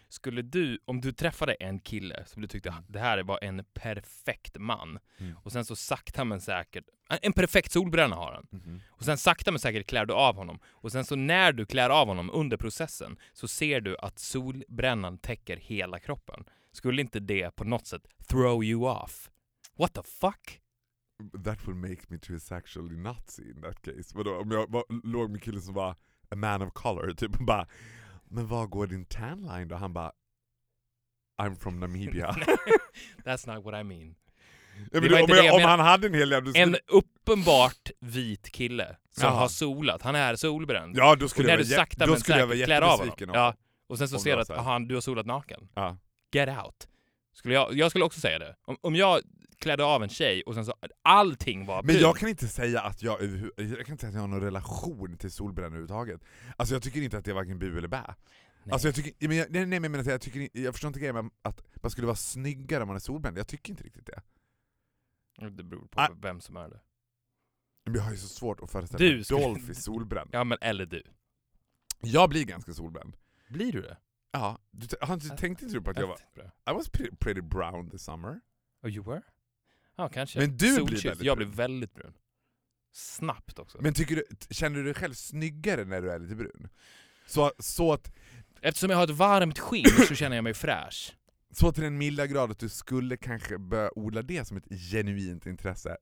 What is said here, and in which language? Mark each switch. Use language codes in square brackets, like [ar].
[sv] Skulle du, om du träffade en kille som du tyckte det här var en perfekt man och sen så sakta men säkert en perfekt solbränna har han och sen sakta men säkert klär du av honom och sen så när du klär av honom under processen så ser du att solbrännan täcker hela kroppen, skulle inte det på något sätt [en] throw you off? What the fuck? That would make me to a sexually Nazi in that case. [sv] Vadå, om jag låg med killen som var [en] a man of color [sv] typ bara, men var går din tan line då? Han bara, [en] I'm from Namibia. That's not what I mean. [sv] Ja, men det du, om han hade en hel jävla... En uppenbart vit kille som har solat. Han är solbränd. Ja, då skulle jag vara jättebesviken. Ja, och sen så ser du att han, du har solat naken. Ja. [en] Get out. [sv] Skulle jag skulle också säga det. Om jag klädde av en tjej och sen så allting var... Men jag kan inte säga att jag har någon relation till solbränna överhuvudtaget. Alltså jag tycker inte att det är varken bu eller bä. Alltså jag tycker... Jag förstår inte grejen med att man skulle vara snyggare om man är solbränd. Jag tycker inte riktigt det. Det beror på vem som är det. Men jag har ju så svårt att föreställa Dolph i solbränd. Ja, men eller du. Jag blir ganska solbränd. Blir du det? Ja, tänkte inte du på att jag var... [en] I was pretty brown this summer. Oh, you were? [sv] Ja, kanske. Men du blir väldigt brun. Jag blir väldigt brun. Snabbt också. Men tycker du, känner du dig själv snyggare när du är lite brun? Så att... Eftersom jag har ett varmt skinn så känner jag mig fräsch. Så till den milda grad att du skulle kanske börja odla det som ett genuint intresse.